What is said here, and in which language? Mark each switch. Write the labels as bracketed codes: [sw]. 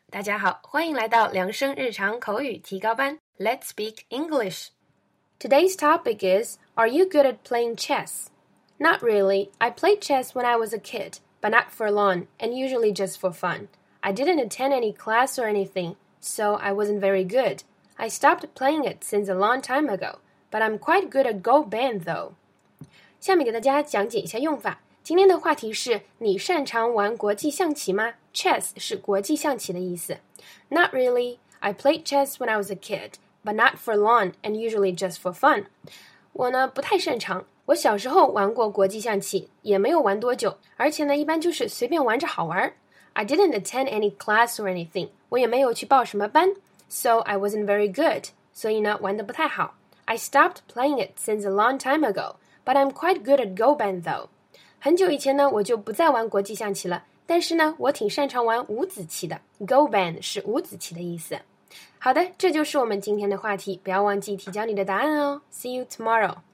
[zh] 大家好，欢迎来到量声日常口语提高班。 [en] Let's speak English. Today's topic is, are you good at playing chess? Not really. I played chess when I was a kid, but not for long, and usually just for fun. I didn't attend any class or anything, so I wasn't very good. I stopped playing it since a long time ago, but I'm quite good at Go Ban though. [zh] 下面给大家讲解一下用法。今天的话题是你擅长玩国际象棋吗 ?Chess 是国际象棋的意思。 [en] Not really. I played chess when I was a kid, but not for long and usually just for fun. [zh] 我呢不太擅长。我小时候玩过国际象棋也没有玩多久。而且呢一般就是随便玩着好玩。 [en] I didn't attend any class or anything. [zh] 我也没有去报什么班。 [en] So I wasn't very good. [zh] 所以呢玩得不太好。 [en] I stopped playing it since a long time ago, but I'm quite good at Go Ban though. [zh] 很久以前呢我就不再玩国际象棋了但是呢我挺擅长玩五子棋的 Go Ban 是五子棋的意思好的这就是我们今天的话题不要忘记提交你的答案哦 [en] See you tomorrow